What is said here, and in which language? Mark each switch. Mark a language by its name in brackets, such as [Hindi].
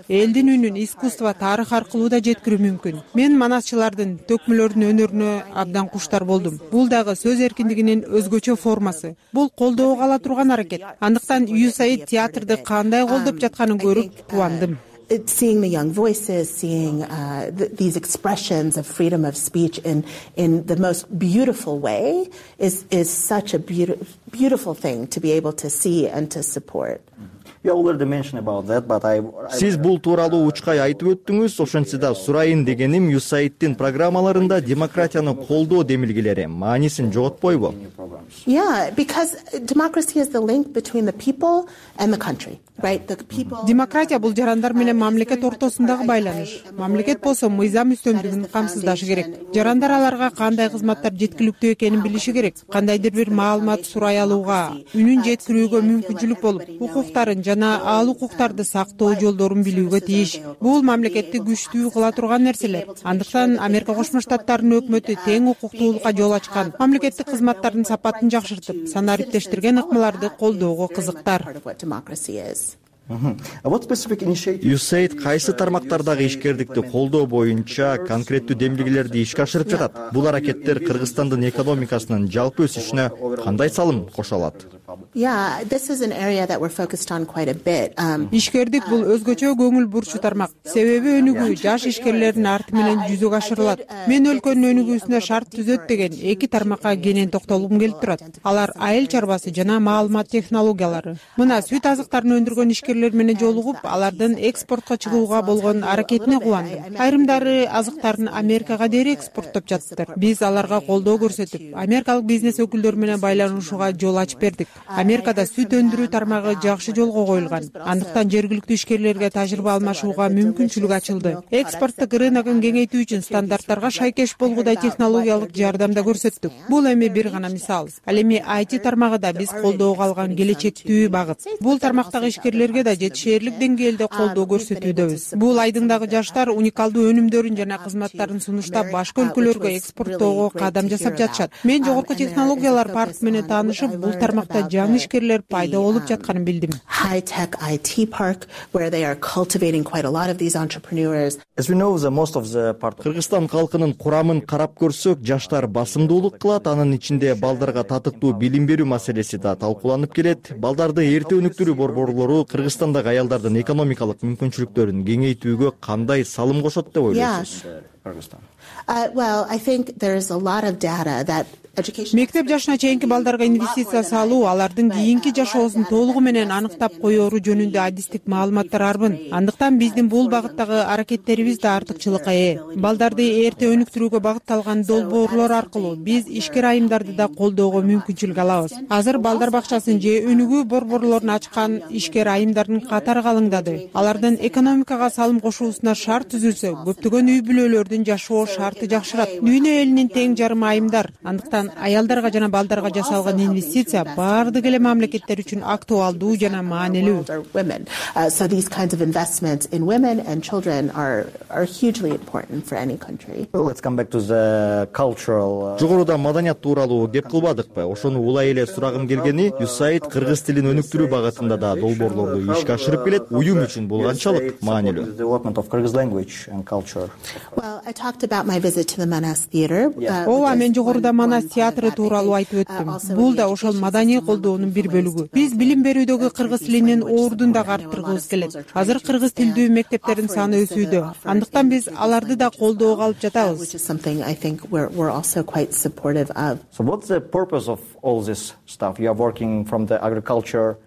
[Kyrgyz] Элдин үнүн искусство, тарых аркылуу да жеткирүү мүмкүн. Мен манасчылардын төкмөлөрдүн өнөрүнө абдан куштар болдум. Бул дагы сөз эркиндигинин өзгөчө формасы. Бул колдоого ала турган аракет. Андыктан Юсаид театрды кандай колдоп жатканын көрүп кубандым. [English] Seeing the young voices, seeing these expressions of freedom of speech in the most beautiful way is such a beautiful thing to be able to see and to support. You already mentioned about that, but I... [Kyrgyz] Сиз бул тууралуу учкай айтып өттүңүз, ошентсе сурайын дегеним, Юсаиддин программаларында демократияны колдоо демилгелери маанисин жоготпойбу? [English] Yeah, because democracy is the link between the people and the country. Right, the people. [Kyrgyz] Демократия бул жарандар менен мамлекет ортосундагы байланыш. Мамлекет болсо мыйзам үстөмдүгүн камсыздашы керек. Жарандар аларга кандай кызматтар жеткиликтүү экенин билиши керек. Кандайдыр бир маалымат сурай алууга, үнүн жеткирүүгө мүмкүнчүлүк болуп, укуктарын жана ал укуктарды сактоо жолдорун билүүгө тийиш. Бул мамлекетти күчтүү кыла турган нерселер. Андыктан Америка Кошмо Штаттарынын өкмөтү тең укуктуулукка жол ачкан. Мамлекеттик кызматтардын сапатын жакшыртып, санариптештирген ыкмаларды колдоого кызыктар. [English] What specific initiative? [Kyrgyz] USAID кайсы тармактардагы ишкердикти колдоо боюнча конкреттүү демилгелерди ишке ашырып жатат? Бул аракеттер Кыргызстандын экономикасынын жалпы өсүшүнө кандай салым кошо алат? [English] Yeah, this is an area that we're focused on quite a bit. [Kyrgyz] Ишкердик бул өзгөчө көңүл бурчу тармак. Себеби өнүгүү жаш ишкерлердин арты менен жүзөгө ашырылат. Мен өлкөнүн өнүгүүсүнө шарт түзөт деген эки тармакка кенен токтолгум келип турат. Алар айыл чарбасы жана маалымат технологиялары. Мына сүт азыктарын өндүргөн ишкерлер менен жолугуп, алардын экспортко чыгууга болгон аракетине кубандым. Айрымдары азыктарын Америкага дээр экспорттоп жатыптыр. Биз аларга колдоо көрсөтүп, америкалык бизнес өкүлдөрү менен байланышууга жол ачып бердик. Америкада сүт өндүрүү тармагы жакшы жолго коюлган. Андыктан жергиликтүү ишкерлерге тажрыйба алмашууга мүмкүнчүлүк ачылды. Экспорттук рыногун кеңейтүү үчүн стандарттарга шайкеш болгудай технологиялык жардам да көрсөттүк. Бул эми бир гана мисал. Ал эми IT тармагында биз колдоого алган келечектүү багыт. Бул тармактагы ишкерлерге да жетишерлик деңгээлде колдоо көрсөтүүдөбүз. Бул айдындагы жаштар уникалдуу өнүмдөрүн жана кызматтарын сунуштап, башка өлкөлөргө экспорттоого кадам жасап жатышат. Мен жогорку технологиялар паркы менен таанышып, бул тармак жаңы ишкерлер пайда болуп жатканын билдим. [English] High-tech IT park where they are cultivating quite a lot of these entrepreneurs. As we know, most of the part [Kyrgyz] Кыргызстан калкынын курамын карап көрсөк, жаштар басымдуулук кылат, анын ичинде балдарга татыктуу билим берүү маселеси да талкууланып келет. Балдарды эрте өнүктүрүү борборлору Кыргызстандагы аялдардын экономикалык мүмкүнчүлүктөрүн кеңейтүүгө кандай салым кошот деп ойлойсуз? [English] Well, I think there is a lot of data that [Kyrgyz] мектеп жашына чейинки балдарга инвестиция салуу алардын кийинки жашоосун толугу менен аныктап коёру жөнүндө адистик маалыматтар арбын. Андыктан биздин бул багыттагы аракеттерибиз да артыкчылыкка ээ. Балдарды эрте өнүктүрүүгө багытталган долбоорлор аркылуу биз ишкер айымдарды да колдоого мүмкүнчүлүк алабыз. Азыр балдар бакчасын же өнүгүү борборлорун ачкан ишкер айымдардын катары калыңдады. Алардын экономикага салым кошуусуна шарт түзүлсө, көптөгөн үй бүлөлөрдүн жашоо шарты жакшырат. Дүйнө элинин тең жарымы айымдар. Аялдарга жана балдарга жасалган инвестиция бардык эле мамлекеттер үчүн актуалдуу жана маанилүү. [English] So these kinds of investments in women and children are hugely important for any country. Let's come back to the cultural. [Kyrgyz] Жогоруда маданият тууралуу кеп кылбадыкпы? Ошону улай эле сурагым келгени, USAID кыргыз тилин өнүктүрүү багытында да долбоорлорду ишке ашырып келет. Уюм үчүн бул канчалык маанилүү? [English] Development of Kyrgyz language and culture. Well, I talked about my visit to the Manas theater. [Kyrgyz] Ооба, мен жогоруда Манас театры тууралуу айтып өттүм. Бул да ошол маданий колдоонун бир бөлүгү. Биз билим берүүдөгү кыргыз тилинин ордун дагы арттыргыбыз келет. Азыр кыргыз тилдүү мектептердин саны өсүүдө. Андыктан биз аларды да колдоого алып жатабыз.